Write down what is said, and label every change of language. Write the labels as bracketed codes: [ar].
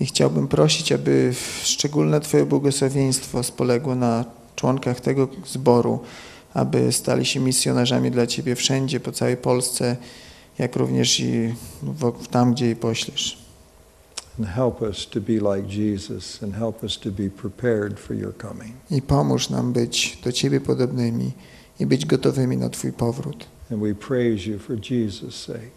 [pl] I chciałbym prosić, aby szczególne Twoje błogosławieństwo spoległo na członkach tego zboru, aby stali się misjonarzami dla Ciebie wszędzie, po całej Polsce, jak również i tam, gdzie je poślesz. [en] And help us to be like Jesus and help us to be prepared for your coming. [pl] I pomóż nam być do Ciebie podobnymi i być gotowymi na Twój powrót. [en] And we praise you for Jesus' sake.